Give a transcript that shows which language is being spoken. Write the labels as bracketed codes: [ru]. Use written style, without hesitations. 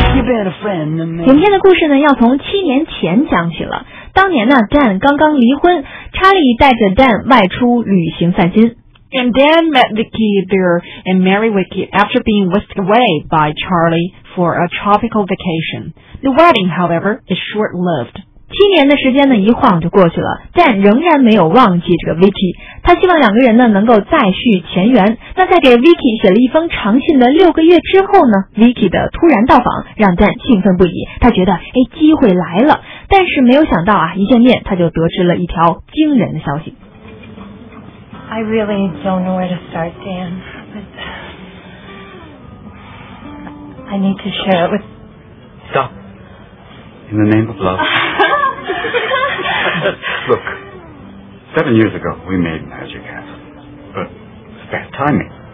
[zh] 影片的故事呢要从7年前讲起了。当年呢 ，Dan 刚刚离婚，查理带着 Dan 外出旅行散心。 [en] And Dan met Vicky there and married Vicky after being whisked away by Charlie for a tropical vacation. The wedding, however, is short-lived. [zh] 7年的时间呢，一晃就过去了 ，Dan 仍然没有忘记这个 Vicky。他希望两个人呢能够再续前缘。那在给 Vicky 写了一封长信的6个月之后呢 ，Vicky 的突然到访让 Dan 兴奋不已。他觉得哎，机会来了。但是没有想到啊，一见面他就得知了一条惊人的消息。 [en] I really don't know where to start, Dan. But I need to share it with. Stop. In the name of love. Look, 7 years ago we made magic happen, but it's bad timing.